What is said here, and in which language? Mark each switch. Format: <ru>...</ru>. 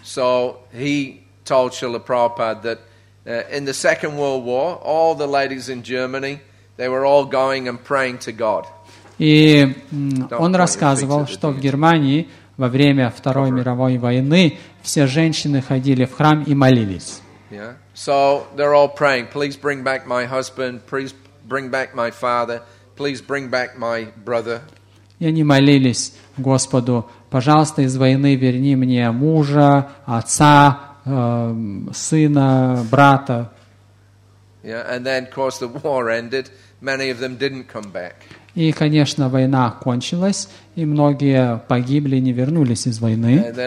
<en>So he told Шрила Прабхупада that in the Second World War, all the ladies in Germany, they were all going and praying to God.</en> <ru>И он рассказывал, что в Германии во время Второй мировой войны все женщины ходили в храм и молились.</ru> <en>Yeah. So they're all praying. Please bring back my husband. Please bring back my father. Please bring back my brother.</en> <ru>И они молились Господу: пожалуйста, из войны верни мне мужа, отца, сына, брата.</ru> <en>Yeah. And then, of course, the war ended. Many of them didn't come back.</en> <ru>И, конечно, война кончилась, и многие погибли, не вернулись из войны.</ru>